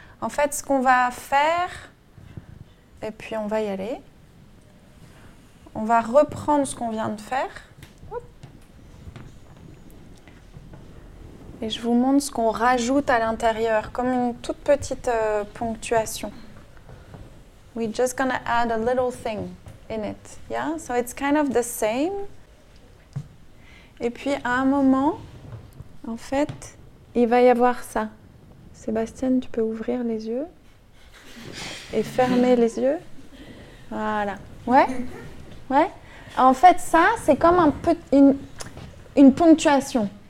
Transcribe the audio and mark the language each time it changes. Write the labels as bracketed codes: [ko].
[fr] En fait, ce qu'on va faire, et puis on va y aller. On va reprendre ce qu'on vient de faire. Et je vous montre ce qu'on rajoute à l'intérieur, comme une toute petite ponctuation. [en] We're just gonna add a little thing in it. Yeah. So it's kind of the same. [fr] Et puis, à un moment, en fait, il va y avoir ça. Sébastien, tu peux ouvrir les yeux et fermer les yeux. Voilà. Ouais? Ouais? En fait, ça, c'est comme un peu une ponctuation.